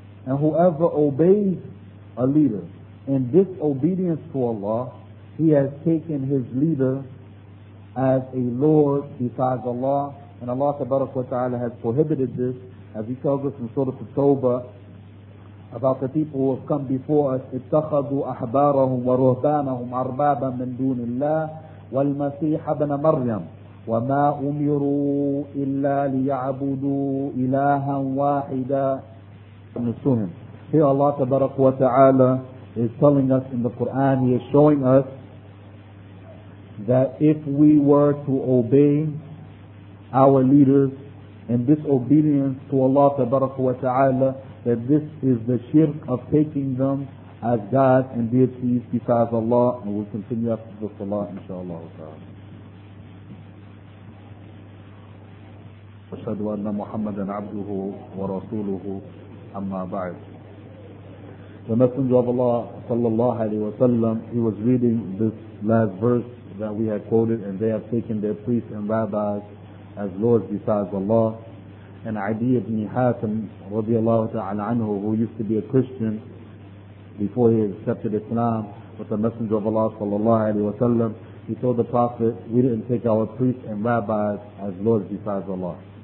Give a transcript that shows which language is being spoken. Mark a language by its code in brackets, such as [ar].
[en] And whoever obeys a leader in disobedience to Allah, he has taken his leader as a lord besides Allah. And Allah tabarak wa ta'ala has prohibited this, as he tells us in Surah At-Tawbah about the people who have come before us. [ar] اتخذوا أحبارهم ورهبانهم أربابا من دون الله والمسيح ابن مريم وما أمروا إلا ليعبدوا إلها واحدا [en] to him. Here Allah Tabaraka wa Ta'ala is telling us in the Quran, He is showing us that if we were to obey our leaders and disobedience to Allah Tabaraka wa Ta'ala, that this is the shirk of taking them as gods and deities besides Allah. And we'll continue after the salah, inshaAllah. [ar] أشهد أن محمدًا عبده ورسوله أما بعد. [en] The Messenger of Allah صلى الله عليه وسلم, he was reading this last verse that we had quoted, and they have taken their priests and rabbis as lords besides Allah. And Adi ibn Hatim رضي الله تعالى عنه, who used to be a Christian before he accepted Islam with the Messenger of Allah صلى الله عليه وسلم, he told the Prophet, we didn't take our priests and rabbis as lords besides Allah.